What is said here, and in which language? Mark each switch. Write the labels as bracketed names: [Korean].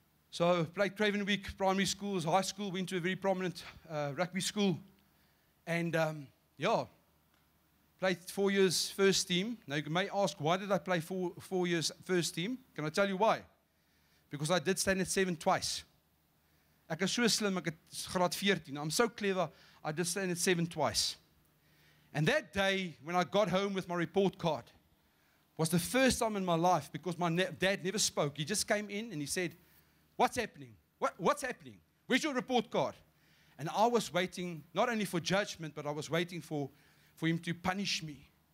[English] So I played Craven Week primary school, high school, went to a very prominent rugby school. And played 4 years first team. Now you may ask, why did I play four years first team? Can I tell you why? Because I did standard 7 twice. [Afrikaans] Ek is so slim, ek het graad 14. [English] I'm so clever, I did standard 7 twice. And that day, when I got home with my report card, was the first time in my life, because my dad never spoke. He just came in and he said, what's happening? What's happening? Where's your report card? And I was waiting, not only for judgment, but I was waiting for him to punish me.